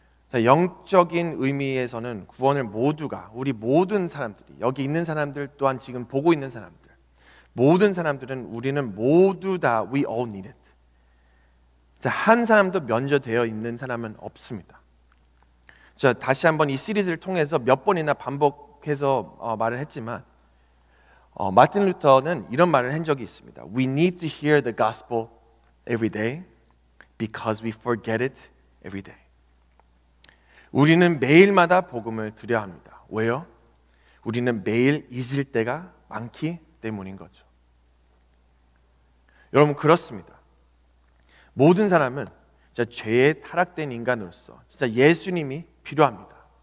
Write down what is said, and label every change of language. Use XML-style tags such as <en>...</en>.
<ko>자, 영적인 의미에서는 구원을 모두가, 우리 모든 사람들이, 여기 있는 사람들 또한 지금 보고 있는 사람들, 모든 사람들은 우리는 모두 다</ko> <en>we all need it.</en> <ko>자, 한 사람도 면제되어 있는 사람은 없습니다. 자, 다시 한번 이 시리즈를 통해서 몇 번이나 반복해서 말을 했지만 마틴 루터는 이런 말을 한 적이 있습니다.</ko> <en>We need to hear the gospel every day because we forget it every day.</en> <ko>우리는 매일마다 복음을 들어야 합니다. 왜요? 우리는 매일 잊을 때가 많기 때문인 거죠. 여러분, 그렇습니다. 모든 사람은 진짜 죄에 타락된 인간으로서 진짜 예수님이 필요합니다.</ko>